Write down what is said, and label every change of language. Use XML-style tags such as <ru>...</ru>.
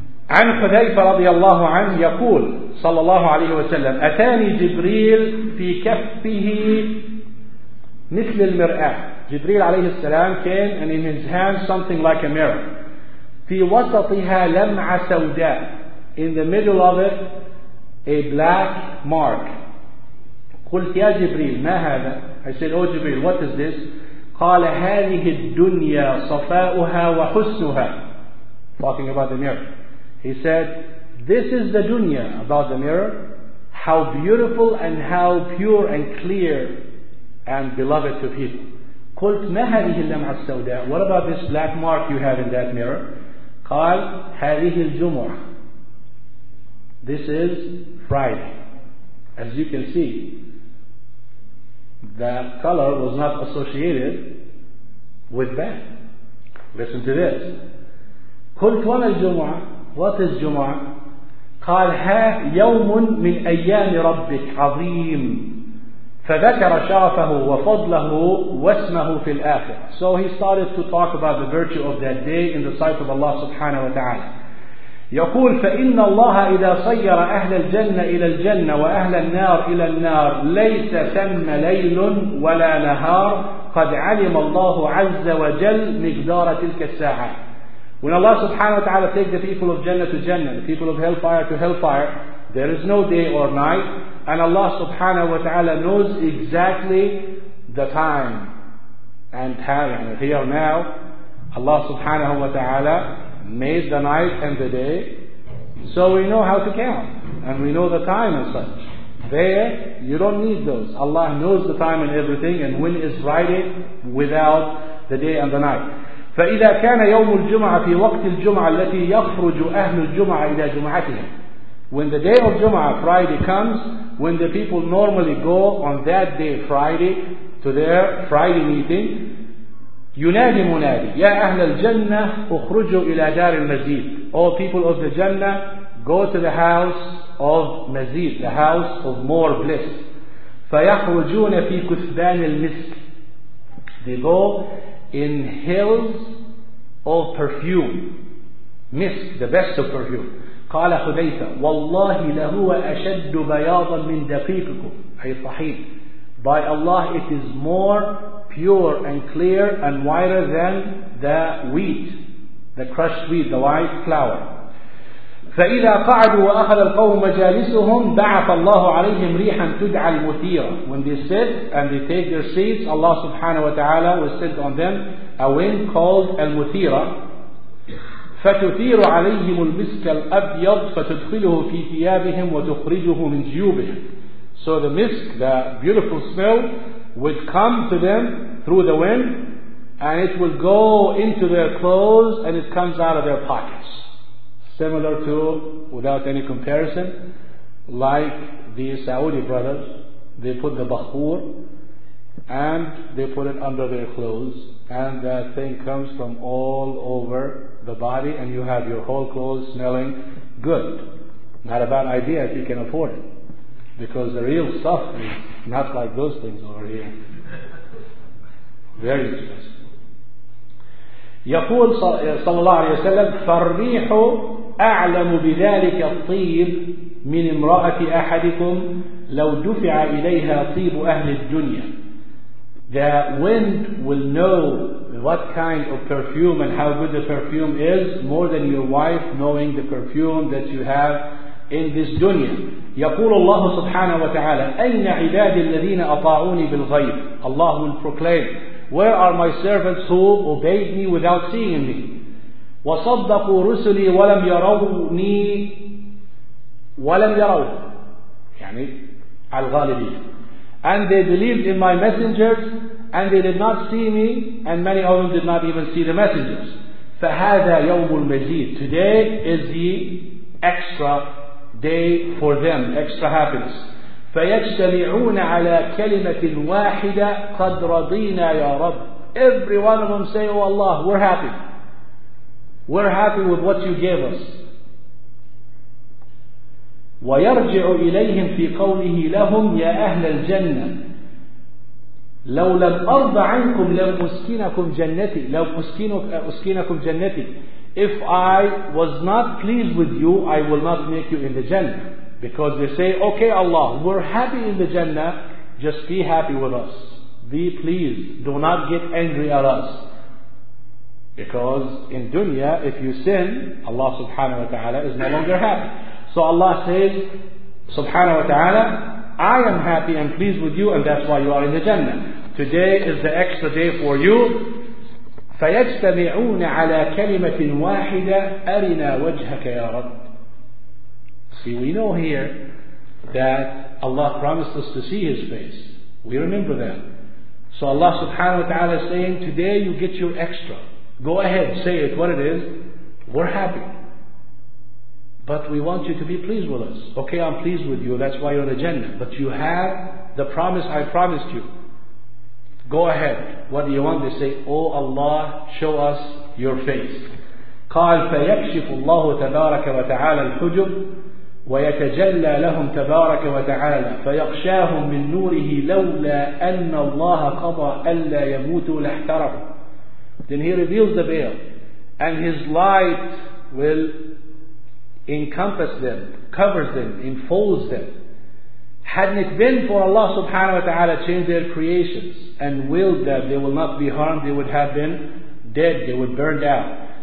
<ar>عن حذيفة رضي الله عنه يقول صلى الله عليه وسلم أتاني جبريل في كفه مثل المرآة. جبريل عليه السلام</ar> <en>came and in his hand something like a mirror.</en> <ar>في وسطها لمعة سوداء.</ar> <en>In the middle of it, a black mark.</en> <ar>قلت يا جبريل ما هذا؟</ar> <en>I said, oh Jibreel, what is this?</en> <ar>قال هذه الدنيا صفاؤها وحسنها.</ar> <en>Talking about the mirror. He said, this is the dunya, about the mirror. How beautiful and how pure and clear and beloved to people.</en> <ar>قلت ما هذه اللمعة السوداء؟</ar> <en>What about this black mark you have in that mirror?</en> <ar>قال هذه الجمعة.</ar> <en>This is Friday. As you can see, that color was not associated with bad. Listen to this.</en> <ar>قلت وما الجمعة?</ar> <en>What is جمعة?</en> <ar>قال ها يوم من أيام ربك عظيم فذكر شرفه وفضله واسمه في الآخر.</ar> <en>So he started to talk about the virtue of that day in the sight of Allah subhanahu wa ta'ala. يقول فإن الله إذا صير أهل الجنة إلى الجنة وأهل النار إلى النار ليس ثم ليل ولا نهار قد علم الله عز وجل مقدار تلك الساعة. When Allah subhanahu wa ta'ala takes the people of Jannah to Jannah, the people of hellfire to hellfire, there is no day or night, and Allah subhanahu wa ta'ala knows exactly the time and pattern. Here now, Allah subhanahu wa ta'ala made the night and the day, so we know how to count, and we know the time and such. There, you don't need those. Allah knows the time and everything, and when is righted without the day and the night.</en> <ar>فإذا كان يوم الجمعة في وقت الجمعة التي يخرج أهل الجمعة إلى جمعتهم.</ar> <en>When the day of Jum'ah, Friday comes, when the people normally go on that day, Friday, to their Friday meeting,</en> <ar>ينادي منادي يا أهل الجنة اخرجوا إلى دار المزيد.</ar> <en>All people of the Jannah, go to the house of مزيد, the house of more bliss.</en> <ar>فيخرجون في كثبان المسك.</ar> <en>They go in hills of perfume. Mist, the best of perfume.</en> <ar>قال حذيفة والله لهو أشد بياضا من دقيقكم أي الطحين.</ar> <en>By Allah, it is more pure and clear and whiter than the wheat, the crushed wheat, the white flour.</en> <ar>فإذا قعدوا وأخذ القوم مجالسهم بعث الله عليهم ريحا تدعى المثيرة.</ar> <en>When they sit and they take their seats, Allah subhanahu wa ta'ala will send on them a wind called المثيرة.</en> <ar>فتثير عليهم المسك الأبيض فتدخله في ثيابهم وتخرجه من جيوبهم.</ar> <en>So the mist, the beautiful smell, would come to them through the wind, and it will go into their clothes and it comes out of their pockets. Similar to, without any comparison, like the Saudi brothers, they put the bakhur and they put it under their clothes, and that thing comes from all over the body, and you have your whole clothes smelling good. Not a bad idea if you can afford it, because the real stuff is not like those things over here. Very interesting.</en> <ar>يقول صلى الله عليه وسلم فالريح أعلم بذلك الطيب من امرأة أحدكم لو دفع إليها طيب أهل الدنيا.</ar> <en>The wind will know what kind of perfume and how good the perfume is more than your wife knowing the perfume that you have in this dunya.</en> <ar>يقول الله سبحانه وتعالى أين عبادي الذين أطاعوني بالغيب.</ar> <en>Allah will proclaim, where are my servants who obeyed me without seeing me?</en> <ar>وصدقوا رسلي ولم يروني ولم يروا يعني على الغالبين.</ar> <en>And they believed in my messengers and they did not see me, and many of them did not even see the messengers.</en> <ar>فهذا يوم المزيد.</ar> <en>Today is the extra day for them, extra happiness.</en> <ar>فيجتمعون على كلمة واحدة قد رضينا يا رب.</ar> <en>Every one of them say, oh Allah, we're happy. We're happy with what you gave us.</en> <ar>ويرجع إليهم في قوله لهم يا أهل الجنة لو لم أرض عنكم لم أسكنكم جنتي لو أسكنكم جنتي.</ar> <en>If I was not pleased with you, I will not make you in the Jannah. Because they say, okay Allah, we're happy in the Jannah, just be happy with us. Be pleased, do not get angry at us. Because in dunya, if you sin, Allah subhanahu wa ta'ala is no longer happy. So Allah says, subhanahu wa ta'ala, I am happy and pleased with you, and that's why you are in the Jannah. Today is the extra day for you.</en> <ar>فيجتمعون على كلمة واحدة أرنا وجهك يا رب.</ar> <en>See, we know here that Allah promised us to see His face. We remember that. So Allah subhanahu wa ta'ala is saying, today you get your extra. Go ahead, say it, what it is. We're happy. But we want you to be pleased with us. Okay, I'm pleased with you. That's why you're in the Jannah. But you have the promise I promised you. Go ahead. What do you want? They say, oh Allah, show us your face.</en> <ar>قال فيكشف الله تبارك وتعالى الحجب ويتجلى لهم تبارك وتعالى فيقشاهم من نوره لولا أن الله قضى ألا يموتوا لاحترقوا.</ar> <en>Then he reveals the veil, and his light will encompass them, covers them, enfolds them. Hadn't it been for Allah subhanahu wa ta'ala change their creations and willed that they will not be harmed, they would have been dead, they would burn down.</en>